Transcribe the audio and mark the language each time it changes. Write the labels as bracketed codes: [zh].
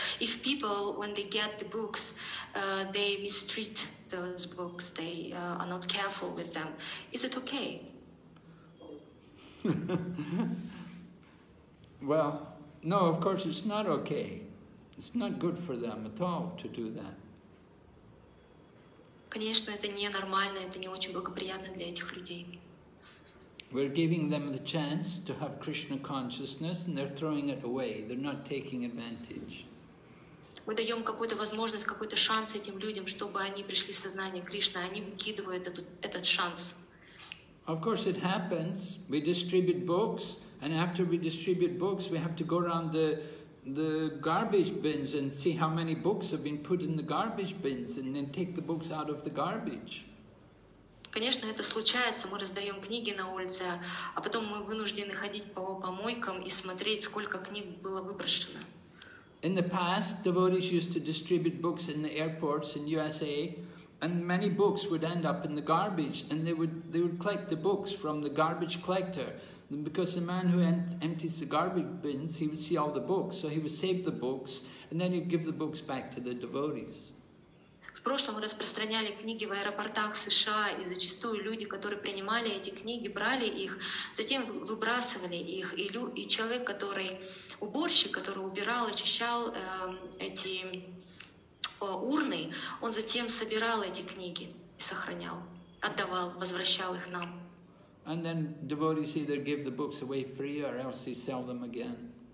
[en] If people, when they get the books, they mistreat those books, they are not careful with them. Is it okay? Well, no, of course it's not okay. It's not good for them at all to do that. [ru] Конечно, это не нормально, это не очень благоприятно для этих людей. [en] We're giving them the chance to have Krishna consciousness, and they're throwing it away. They're not taking advantage. [ru] Мы даем какую-то возможность, какой-то шанс этим людям, чтобы они пришли в сознание Кришны, они выкидывают этот шанс. [en] Of course, it happens. We distribute books, and after we distribute books, we have to go around the garbage bins and see how many books have been put in the garbage bins and then take the books out of the garbage. [ru] Конечно, это случается. Мы раздаем книги на улице, а потом мы вынуждены ходить по помойкам и смотреть, сколько книг было выброшено. [en] In the past, devotees used to distribute books in the airports in USA, and many books would end up in the garbage, and they would collect the books from the garbage collector. Because the man who empties the garbage bins, he would see all the books, so he would save the books, and then he'd give the books back to the devotees. [ru] В прошлом мы распространяли книги в аэропортах США, и зачастую люди, которые принимали эти книги, брали их, затем выбрасывали их, и человек, который уборщик, который убирал, очищал эти урны, он затем собирал эти книги, сохранял, отдавал, возвращал их нам. [en] And then devotees either give the books away free or else they sell them again.